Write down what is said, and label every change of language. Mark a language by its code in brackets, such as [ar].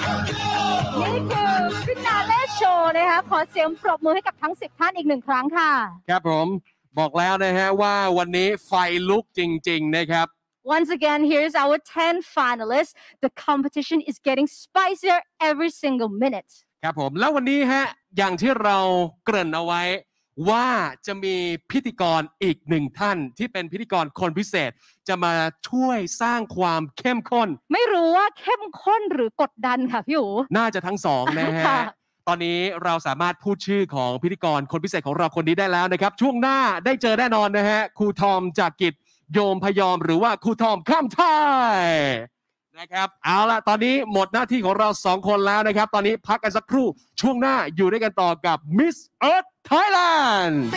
[th] Go! นี่คือฟินาเล่โชว์นะคะขอเสียงปรบมือให้กับทั้ง10ท่านอีก1ครั้งค่ะ ครับผมบอกแล้วนะฮะว่าวันนี้ไฟลุกจริงๆนะครับ [en] Once again, here's our 10 finalists. The competition is getting spicier every single minute. [th] ครับผมแล้ววันนี้ฮะอย่างที่เราเกริ่นเอาไว้ว่าจะมีพิธีกรอีกหนึ่งท่านที่เป็นพิธีกรคนพิเศษจะมาช่วยสร้างความเข้มข้น ไม่รู้ว่าเข้มข้นหรือกดดันค่ะพี่อู๋ น่าจะทั้งสองนะฮะ ตอนนี้เราสามารถพูดชื่อของพิธีกรคนพิเศษของเราคนนี้ได้แล้วนะครับช่วงหน้าได้เจอแน่นอนนะฮะครูทอมจากกิจโยมพยอมหรือว่าครูทอมข้ามท่ายนะครับเอาล่ะตอนนี้หมดหน้าที่ของเราสองคนแล้วนะครับตอนนี้พักกันสักครู่ช่วงหน้าอยู่ด้วยกันต่อกับมิสเอิร์ธThailand!